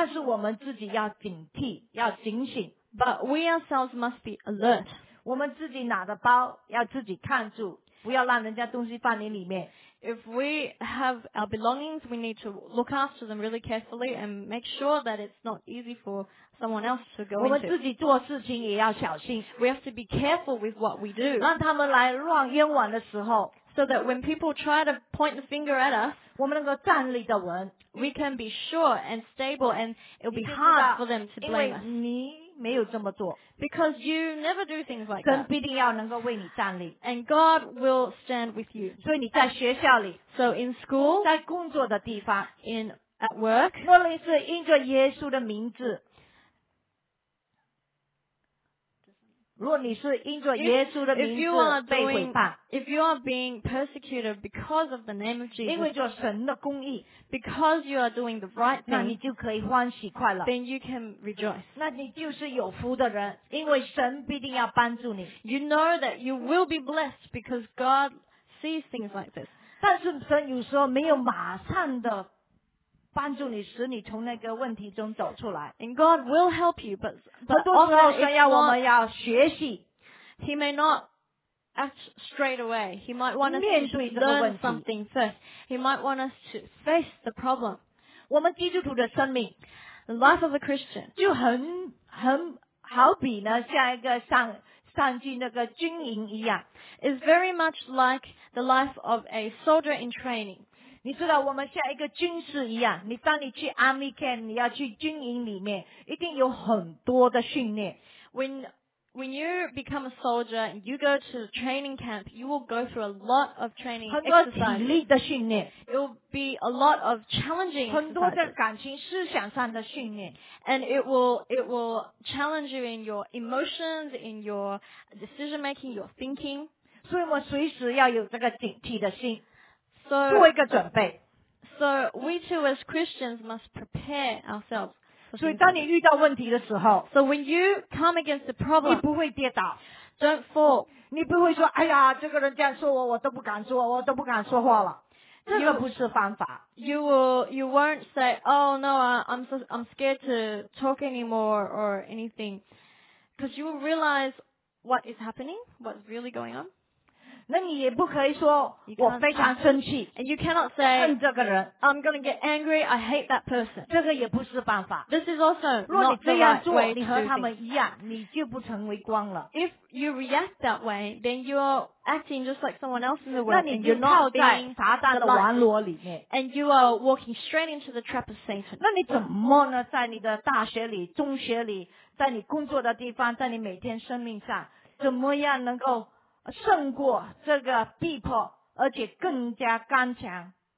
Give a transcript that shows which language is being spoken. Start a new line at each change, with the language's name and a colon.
Chinese: 但是我们自己要警惕，要警醒。
English: But we ourselves must be alert.
Chinese: 我们自己拿着包，要自己看住，不要让人家东西放你里面。
English: If we have our belongings, we need to look after them really carefully and make sure that it's not easy for someone else to go into.
Chinese: 我们自己做事情也要小心。
English: We have to be careful with what we do.
Chinese: 让他们来乱冤枉的时候。
English: So that when people try to point the finger at us,
Chinese: 我们能够站立得稳。
English: We can be sure and stable and it'll be hard for them to blame us.
Chinese: 因为你没有这么做。
English: Because you never do things like that.
Chinese: 神必定要能够为你站立。
English: And God will stand with you.
Chinese: 所以你在学校里。
English: So in school.
Chinese: 在工作的地方。
English: In at work.
Chinese: 无论是因着耶稣的名字。如果你是因着耶稣的名字被毁谤。
English: If you are being persecuted because of the name of Jesus.
Chinese: 因为做神的公义。
English: Because you are doing the right thing.
Chinese: 那你就可以欢喜快乐。
English: Then you can rejoice.
Chinese: 那你就是有福的人。因为神必定要帮助你。
English: You know that you will be blessed because God sees things like this.
Chinese: 但是神有时候没有马上的帮助你使你从那个问题中走出来。
English: And God will help you, but
Chinese: 很多时候神要我们要学习。
English: He may not act straight away. He might want us to learn something first. He might want us to face the problem.
Chinese: 我们基督徒的生命
English: ，the life of a Christian，
Chinese: 就很好比呢，像一个上进那个军营一样
English: ，is very much like the life of a soldier in training。
Chinese: 你知道我们像一个军事一样，你当你去
English: army camp，
Chinese: 你要去军营里面，一定有很多的训练。
English: When you become a soldier and you go to the training camp, you will go through a lot of training exercises.
Chinese: 很多体力的训练。
English: It will be a lot of challenging.
Chinese: 很多的感情思想上的训练。
English: And it will challenge you in your emotions, in your decision making, your thinking.
Chinese: 所以我随时要有这个警惕的心。
English: So,
Chinese: 做一个准备。
English: So we too as Christians must prepare ourselves.
Chinese: 所以当你遇到问题的时候
English: ，So when you come against the problem，
Chinese: 你不会跌倒
English: ，Don't fall。
Chinese: 你不会说，哎呀，这个人这样说我，我都不敢说，我都不敢说话了。这个不是方法。
English: You won't say, oh no, I'm scared to talk anymore or anything, because you will realize what is happening, what's really going on.
Chinese: 那你也不可以说我非常生气
English: ，and you cannot say
Chinese: 恨这个人
English: ，I'm going to get angry, I hate that person。
Chinese: 这个也不是办法。
English: This is also not the right way to do
Chinese: things。如果你这样做，你和他们一样，你就不成为光了。
English: If you react that way, then you're acting just like someone else in the world。
Chinese: 那你就套在撒旦的网罗里面
English: ，and you are walking straight into the trap of Satan。
Chinese: 那你怎么呢？在你的大学里、中学里，在你工作的地方，在你每天生命上，怎么样能够？胜过这个逼迫而且更加刚强。